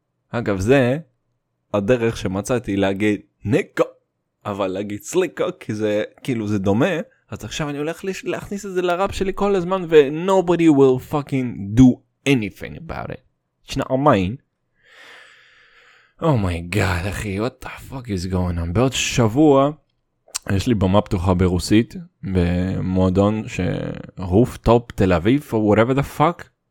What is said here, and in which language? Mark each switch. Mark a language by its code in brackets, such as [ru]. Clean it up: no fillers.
[he] אגב, זה הדרך שמצאתי להגיד ניקו, אבל להגיד סליקה, כי זה כאילו זה דומה, אז עכשיו אני הולך להכניס את זה לרב שלי כל הזמן, ו- [en] nobody will fucking do anything about it. It's not mine. Oh my god, אחי, what the fuck is going on? [he] בעוד שבוע, יש לי במה פתוחה ברוסית, במועדון שרוף טופ תל אביב, [en] or whatever the fuck.